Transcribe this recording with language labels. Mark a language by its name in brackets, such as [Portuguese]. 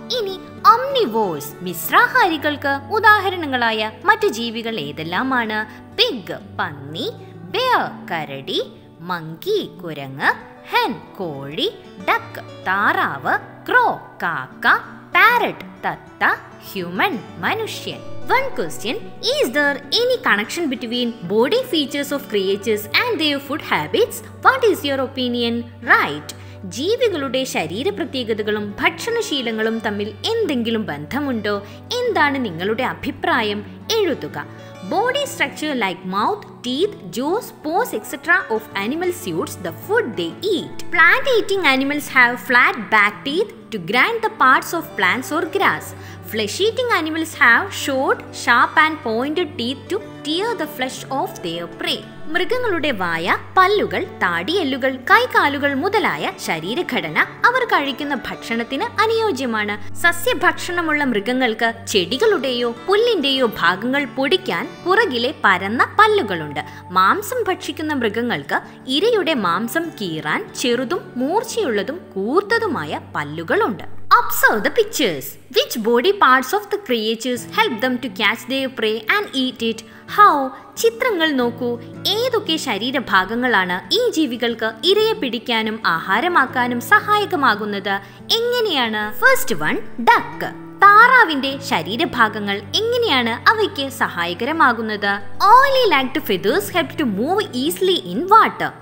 [Malayalam] ഇനി ഓംനിവോഴ്സ് മിശ്രാഹാരികൾക്ക് ഉദാഹരണങ്ങളായ മറ്റു ജീവികൾ ഏതെല്ലാമാണ്? പിഗ് പന്നി, ബിയർ കരടി, മങ്കി കുരങ്ങ്, ഹൻ കോഴി, ഡക്ക് താറാവ്, ക്രോ കാക്ക, പാരറ്റ് തത്ത, ഹ്യൂമൻ മനുഷ്യൻ. [English] One question, is there any connection between body features of creatures and their food habits? What is your opinion? Right. [Malayalam] ജീവികളുടെ ശരീര പ്രത്യേകതകളും ഭക്ഷണശീലങ്ങളും തമ്മിൽ എന്തെങ്കിലും ബന്ധമുണ്ടോ? എന്താണ് നിങ്ങളുടെ അഭിപ്രായം? എഴുതുക. [English] Body structure like mouth, teeth, jaws, paws etcetera of animal suits the food they eat. Plant eating animals have flat back teeth to grind the parts of plants or grass. Flesh eating animals have short, sharp and pointed teeth to tear the flesh of their prey. [Malayalam] മൃഗങ്ങളുടെ വായ, പല്ലുകൾ, താടിയെല്ലുകൾ, കൈകാലുകൾ മുതലായ ശരീരഘടന അവർ കഴിക്കുന്ന ഭക്ഷണത്തിന് അനുയോജ്യമാണ്. സസ്യഭക്ഷണമുള്ള മൃഗങ്ങൾക്ക് ചെടികളുടെയോ പുല്ലിന്റെയോ ഭാഗങ്ങൾ പൊടിക്കാൻ പുറകിലെ പരന്ന പല്ലുകളുണ്ട്. മാംസം ഭക്ഷിക്കുന്ന മൃഗങ്ങൾക്ക് ഇരയുടെ മാംസം കീറാൻ ചെറുതും മൂർച്ചയുള്ളതും കൂർത്തതുമായ പല്ലുകളുണ്ട്. [English] Observe the pictures. Which body parts of the creatures help them to catch their prey and eat it? How? [Malayalam] ചിത്രങ്ങൾ നോക്കൂ. ഏതൊക്കെ ശരീരഭാഗങ്ങളാണ് ഈ ജീവികൾക്ക് ഇരയെ പിടിക്കാനും ആഹാരമാക്കാനും സഹായകമാകുന്നത്? എങ്ങനെയാണ്? [English] first one, [Malayalam] duck. താറാവിന്റെ ശരീരഭാഗങ്ങൾ എങ്ങനെയാണ് അവയ്ക്ക് സഹായകരമാകുന്നത്? [English] Oily lacked feathers help to move easily in water.